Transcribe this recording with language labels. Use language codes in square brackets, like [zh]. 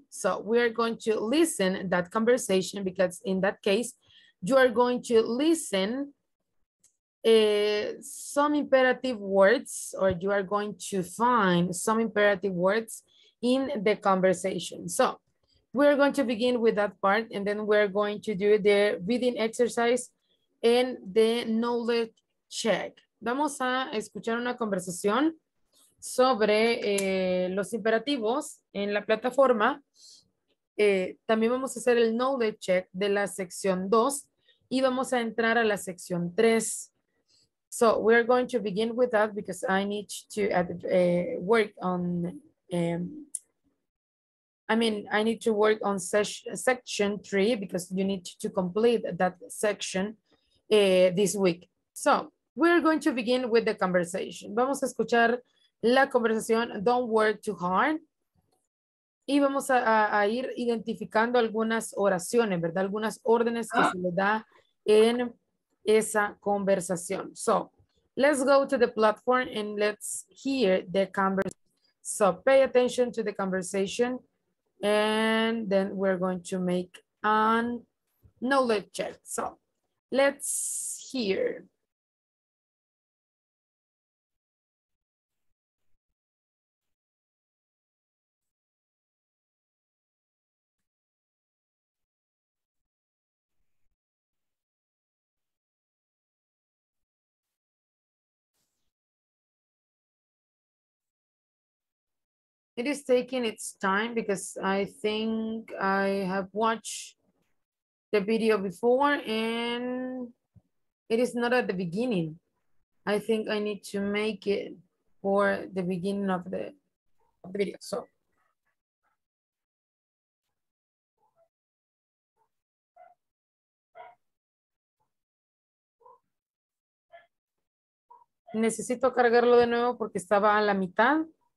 [en] So we are going to listen to that conversation, because in that case, you are going to listen some imperative words, or you are going to find some imperative words in the conversation. So we're going to begin with that part, and then we're going to do the reading exercise and the knowledge check. [es] Vamos a escuchar una conversación sobre los imperativos en la plataforma. También vamos a hacer el knowledge check de la sección 2 y vamos a entrar a la sección 3. [en] So we are going to begin with that because I need to work on, I need to work on section 3 because you need to complete that section this week. So we're going to begin with the conversation. [es] Vamos a escuchar la conversación Don't Work Too Hard. Y vamos a ir identificando algunas oraciones, ¿verdad? Algunas órdenes que se le da en esa conversación. [en] So, let's go to the platform and let's hear the conversation. So, pay attention to the conversation. And then we're going to make a knowledge check. So, let's hear. It is taking its time because I think I have watched the video before and it is not at the beginning. I think I need to make it for the beginning of the video. [es] So necesito cargarlo de nuevo porque estaba a la mitad.